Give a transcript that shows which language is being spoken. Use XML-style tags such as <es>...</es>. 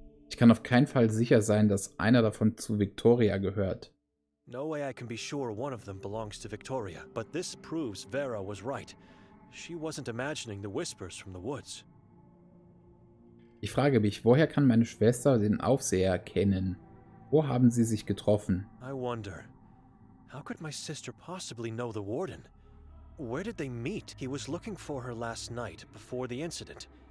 <de>Ich kann auf keinen Fall sicher sein, dass einer davon zu Victoria gehört.</de> <en>No way I can be sure one of them belongs to Victoria, but this proves Vera was right. She wasn't imagining the whispers from the woods.</en> <de>Ich frage mich, woher kann meine Schwester den Aufseher kennen? Wo haben sie sich getroffen?</de> <en>I wonder. How could my sister possibly know the warden? Where did they meet? He was looking for her last night, before the incident.</en>